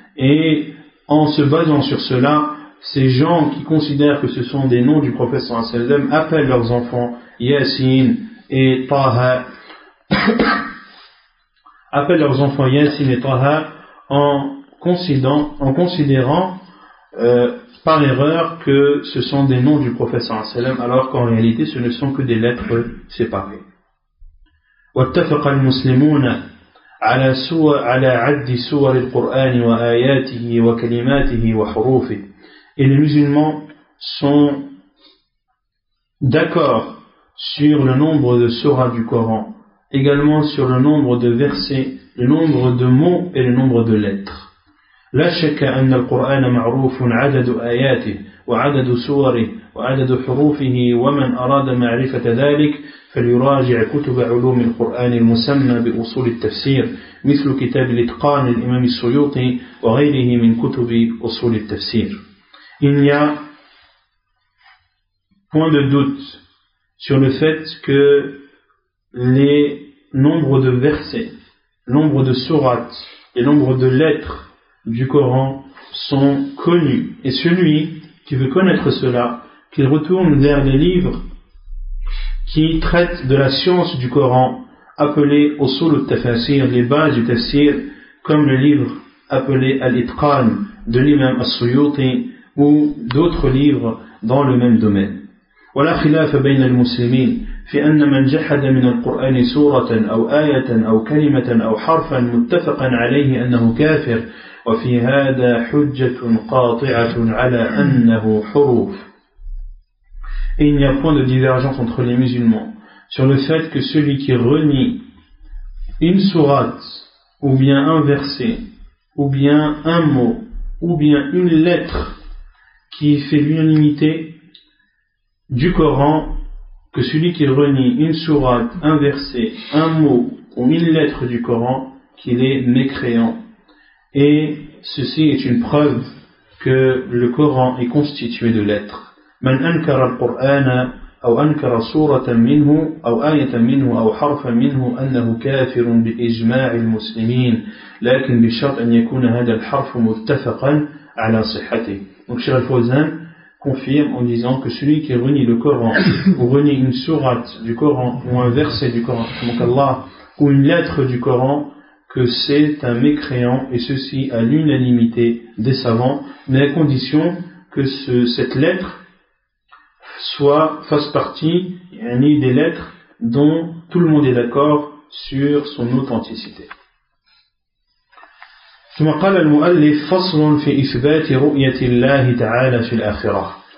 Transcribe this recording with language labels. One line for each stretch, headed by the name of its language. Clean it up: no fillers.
French: Et en se basant sur cela, ces gens qui considèrent que ce sont des noms du prophète
Arabic: sallallahu alayhi wa sallam
French: appellent leurs enfants Yasin et Taha. Appellent leurs enfants Yasin et Taha en considérant par erreur que ce sont des noms du prophète
Arabic: sallallahu alayhi wa sallam,
French: alors qu'en réalité ce ne sont que des lettres séparées.
Arabic: واتفق المسلمون على عد سور القرآن وآياته وكلماته وحروفه.
French: Et les musulmans sont d'accord sur le nombre de sourates du Coran, également sur le nombre de versets, le nombre de mots et le nombre de lettres.
Arabic: لا شك أن القرآن معروف عدد آياته وعدد سوره وعدد حروفه ومن أراد معرفة ذلك فليراجع كتب علوم القرآن المسمى بأصول التفسير مثل كتاب الإتقان الإمام السيوطي وغيره من كتب أصول التفسير.
French: Il n'y a point de doute sur le fait que les nombres de versets, nombre de sourates et nombre de lettres du Coran sont connus. Et celui qui veut connaître cela, qu'il retourne vers les livres qui traitent de la science du Coran, appelés Usul al-Tafsir, les bases du tafsir, comme le livre appelé Al-Itqan de l'imam As-Suyuti, ou d'autres livres dans le même domaine.
Arabic: ولا خلاف بين المسلمين في أن من جحد من القرآن سورة أو آية أو كلمة أو حرفا متفقا عليه أنه كافر وفي هذا حجة قاطعة على أنه حروف.
French: Et il n'y a point de divergence entre les musulmans sur le fait que celui qui renie une sourate ou bien un verset ou bien un mot ou bien une lettre qui fait l'unanimité du Coran, que celui qui renie une sourate, un verset, un mot ou une lettre du Coran, qu'il est mécréant. Et ceci est une preuve que le Coran est constitué de lettres.
Arabic: من أنكر القرآن أو أنكر سورة منه أو آية منه أو حرف منه أنه كافر بإجماع المسلمين لكن بشرط أن يكون هذا الحرف متفقا على صحته.
French: Donc Cheikh Al-Fawzan confirme en disant que celui qui renie le Coran ou renie une sourate du Coran ou un verset du Coran, donc Allah, ou une lettre du Coran, que c'est un mécréant, et ceci à l'unanimité des savants, mais à condition que cette lettre soit, fasse partie, yani des lettres dont tout le monde est d'accord sur son authenticité.
Arabic: ثم قال المؤلف فصل في إثبات رؤية الله تعالى في الآخرة.